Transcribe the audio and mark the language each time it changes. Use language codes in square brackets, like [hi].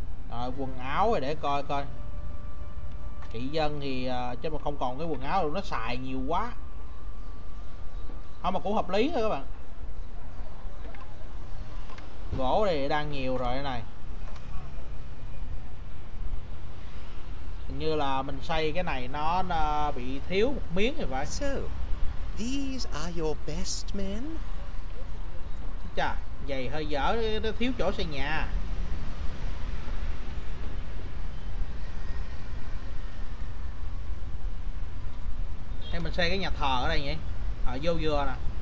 [vi] Rồi quần áo rồi, để coi. Kỵ dân thì chứ mà không còn cái quần áo đâu, nó xài nhiều quá. Không mà cũng hợp lý thôi các bạn. Gỗ thì đang nhiều rồi này. Hình như là mình xây cái này nó bị thiếu một miếng thì phải. [en] So, these are your best men. [vi] Chà, vậy hơi dở, nó thiếu chỗ xây nhà. Hay mình xây cái nhà thờ ở đây nhỉ? Ở vô dừa nè.